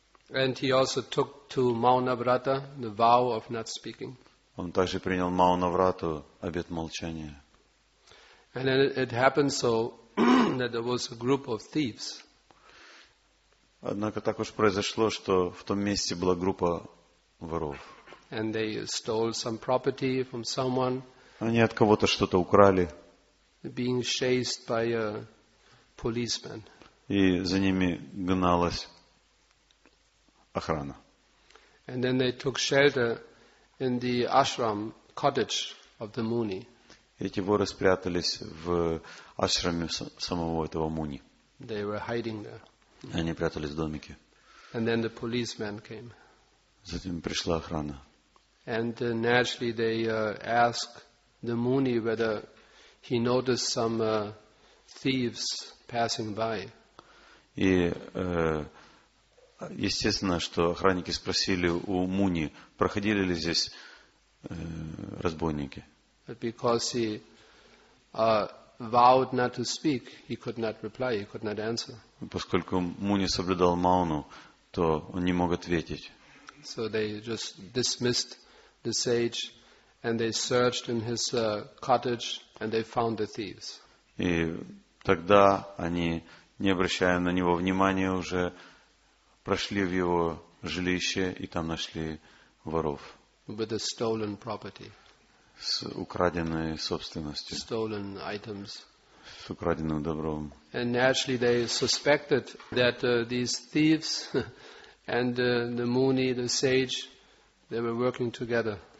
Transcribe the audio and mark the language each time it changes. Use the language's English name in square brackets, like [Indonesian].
[English] And he also took to Маунаврата, the vow of not speaking. [Russian] Он также принял Маунаврату, обет молчания. [English] And then it happened so that there was a group of thieves. [Russian] Однако так уж произошло, что в том месте была группа воров. [English] And they stole some property from someone. [Russian] Они от кого-то что-то украли. [English] Being chased by a policeman. [Russian] И за ними гналась охрана. [English] And then they took shelter in the ashram cottage of the Muni. [Russian] Эти воры спрятались в ашраме самого этого Муни. [English] They were hiding there. [Russian] Они прятались в домике. [English] And then the policeman came. [Russian] Затем пришла охрана. [English] And naturally they ask the Muni whether he noticed some thieves passing by. [Russian] И естественно, что охранники спросили у Муни, проходили ли здесь разбойники. [English] But because he vowed not to speak, he could not reply, he could not answer. [Russian] Поскольку Муни соблюдал мауну, то он не мог ответить. [English] So they just dismissed the sage and they searched in his cottage and they found the thieves. [Russian] И тогда они, не обращая на него внимания, уже прошли в его жилище и там нашли воров. [English] With a stolen property. [Russian] С украденной собственностью. [English] Stolen items. [Russian] С украденным добром. [English] And naturally they suspected that these thieves and the Muni, the sage, they were working together.